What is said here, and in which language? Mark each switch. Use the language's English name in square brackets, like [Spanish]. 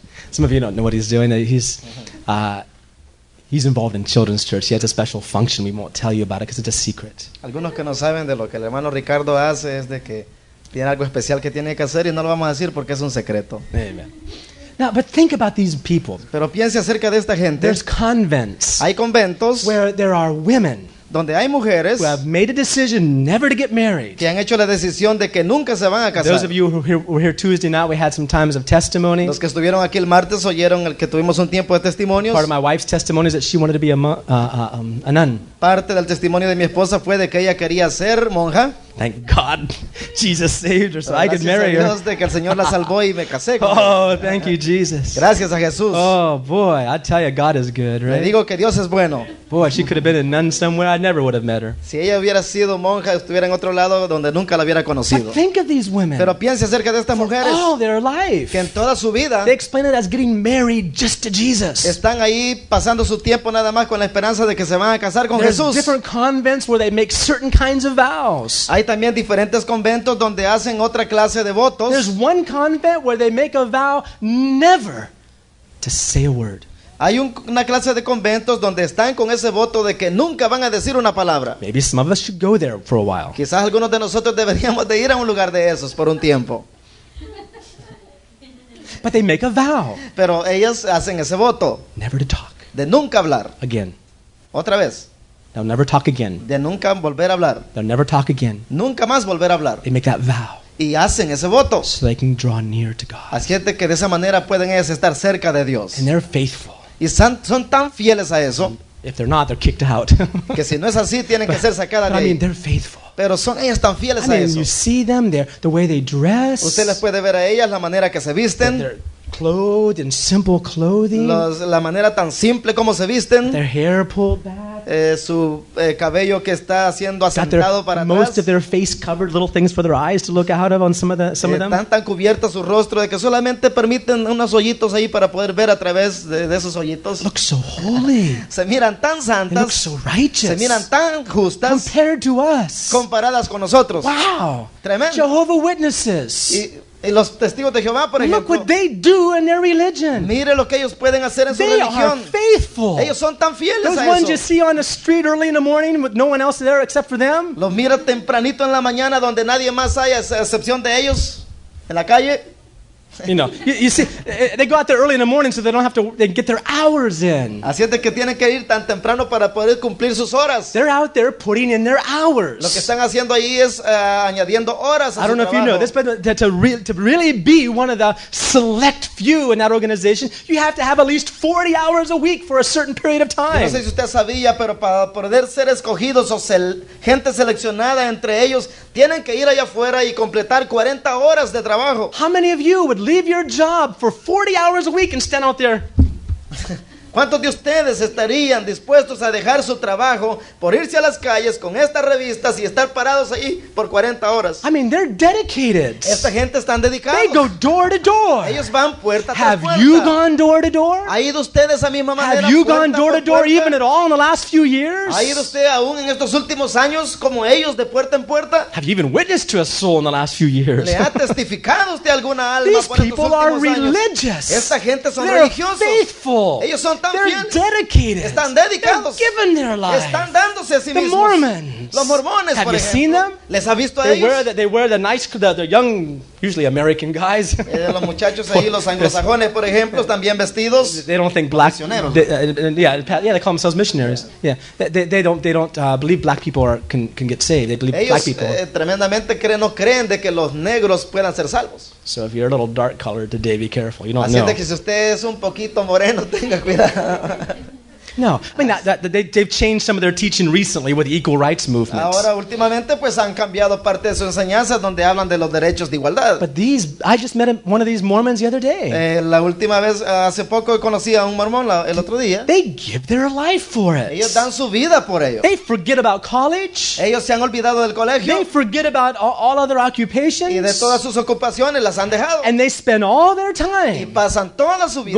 [English] Some of you don't know what he's doing. He's involved in children's church. He has a special function. We won't tell you about it because it's a secret. [Spanish] Algunos que no saben de lo que el hermano Ricardo hace es de que tiene algo especial que tiene que hacer y no lo vamos a decir porque es un secreto. [English] Amen. Now, but think about these people. [Spanish] Pero piense acerca de esta gente. [English] There's convents. [Spanish] Hay conventos [English] where there are women. [Spanish] Donde hay mujeres [English] who have made a decision never to get married. [Spanish] Que han hecho la decisión de que nunca se van a casar. [English] Those of you who were here Tuesday night, we had some times of testimony. [Spanish] Los que estuvieron aquí el martes oyeron el que tuvimos un tiempo de testimonios. [English] Part of my wife's testimony is that she wanted to be a nun. [Spanish] Parte del testimonio de mi esposa fue de que ella quería ser monja. [English] Thank God, Jesus saved her, so I could marry her. [Spanish] Gracias a Dios de que el Señor la salvó y me casé. [English] Oh, thank you, Jesus. [Spanish] Gracias a Jesús. [English] Oh boy, I tell you, God is good, right? [Spanish] Le digo que Dios es bueno. [English] Boy, she could have been a nun somewhere. I never would have met her. [Spanish] Si ella hubiera sido monja, estuviera en otro lado donde nunca la hubiera conocido. [English] But think of these women. [Spanish] Pero piense acerca de estas mujeres. [English] For all their life. [Spanish] Que en toda su vida. [English] They explain it as getting married just to Jesus. [Spanish] Están ahí pasando su tiempo nada más con la esperanza de que se van a casar con [English] There's [Spanish] Jesús. [English] There's different convents where they make certain kinds of vows. [Spanish] Hay también diferentes conventos donde hacen otra clase de votos. [English] There's one convent where they make a vow never to say a word. [Spanish] Hay una clase de conventos donde están con ese voto de que nunca van a decir una palabra. [English] Maybe some of us should go there for a while. [Spanish] Quizás algunos de nosotros deberíamos de ir a un lugar de esos por un tiempo. [English] But they make a vow. [Spanish] Pero ellas hacen ese voto. [English] Never to talk. [Spanish] De nunca hablar. [English] Again. [Spanish] Otra vez. [English] They'll never talk again. [Spanish] De nunca volver a hablar. [English] They'll never talk again. [Spanish] Nunca más volver a hablar. [English] They make that vow. [Spanish] Y hacen ese voto. [English] So they can draw near to God. [Spanish] Así es de que de esa manera pueden ellas estar cerca de Dios. [English] And they're faithful. [Spanish] Y son tan fieles a eso. [English] And if they're not, they're kicked out. [Spanish] Que si no es así, tienen que ser sacadas de ahí. [English] I mean, they're faithful. [Spanish] Pero son ellas tan fieles a eso. [English] You see them, the way they dress. [Spanish] Usted las puede ver a ellas, la manera que se visten. [English] Clothed in simple clothing. [Spanish] La manera tan simple como se visten. [English] Their hair pulled back. [Spanish] Cabello que está siendo asentado para atrás. [English] Most of their face covered, little things for their eyes to look out of on some of them. [Spanish] Tan cubierta su rostro de que solamente permiten unos hoyitos ahí para poder ver a través de esos hoyitos. [English] Look so holy. [Spanish] Se miran tan santas. [English] They look so righteous. [Spanish] Se miran tan justas. [English] Compared to us. [Spanish] Comparadas con nosotros. [English] Wow. [Spanish] Tremendo. [English] Jehovah Witnesses. [Spanish] Y los testigos de Jehová, por ejemplo, [English] look what they do in their religion. [Spanish] Mire lo que ellos pueden hacer en [English] they [Spanish] su religión. [English] Are faithful. [Spanish] Ellos son tan fieles [English] Those [Spanish] a eso. [English] Those ones you see on the street early in the morning with no one else there except for them. [Spanish] Los mira tempranito en la mañana donde nadie más haya excepción de ellos en la calle. [English] You know, you see, they go out there early in the morning so they don't have to. They get their hours in. [Spanish] Así es de que tienen que ir tan temprano para poder cumplir sus horas. [English] They're out there putting in their hours. [Spanish] Lo que están haciendo ahí es añadiendo horas. [English] I don't know [Spanish] trabajo. [English] If you know this, but to really be one of the select few in that organization, you have to have at least 40 hours a week for a certain period of time. [Spanish] Yo no sé si usted sabía, pero para poder ser escogidos o gente seleccionada entre ellos, tienen que ir allá afuera y completar 40 horas de trabajo. [English] How many of you would leave your job for 40 hours a week and stand out there? [Spanish] ¿Cuántos de ustedes estarían dispuestos a dejar su trabajo por irse a las calles con estas revistas y estar parados ahí por 40 horas? [English] I mean, they're dedicated. [Spanish] Esta gente están dedicados. [English] They go door to door. [Spanish] Ellos van puerta tras puerta. [English] Have you gone door to door? [Spanish] ¿Ha ido ustedes a mi mamá? [English] Have you gone door to door even at all in the last few years? [Spanish] ¿Ha ido usted aún en estos últimos años como ellos de puerta en puerta? [English] Have you even witnessed to a soul in the last few years? [Spanish] ¿Le ha testificado usted alguna alma por estos últimos años? [English] These people are religious. [Spanish] Esta gente son [English] they're [Spanish] religiosos. [English] Faithful. [Spanish] Ellos son [English] They're dedicated. [Spanish] Están dedicados. [English] They're giving their lives. [Spanish] Están dándose a sí mismos. [English] The Mormons. [Spanish] Los mormones, [English] have [Spanish] por [English] you Seen them? [Spanish] ¿Les ha visto [English] they [Spanish] a ellos? [English] Wear the nice, the young, usually American guys. [Spanish] Los muchachos ahí, los anglosajones, por ejemplo, también vestidos. [English] They don't think black. They call themselves missionaries. They don't believe black people can get saved. They believe [Spanish] ellos, [English] black people. [Spanish] Tremendamente creen, no creen de que los negros puedan ser salvos. [English] So if you're a little dark colored today, be careful. You don't [Spanish] así [English] know. [Spanish] De que si usted es un poquito moreno, tenga cuidado. [English] No, I mean they've changed some of their teaching recently with the equal rights movement. [Spanish] Ahora últimamente pues han cambiado parte de su enseñanza donde hablan de los derechos de igualdad. [English] But these, I just met one of these Mormons the other day. [Spanish] La última vez hace poco conocí a un mormón el otro día. [English] They give their life for it. [Spanish] Ellos dan su vida por ello. [English] They forget about college. [Spanish] Ellos se han olvidado del colegio. [English] They forget about all other occupations. [Spanish] Y de todas sus ocupaciones las han dejado. [English] And they spend all their time. [Spanish] Y pasan toda su vida.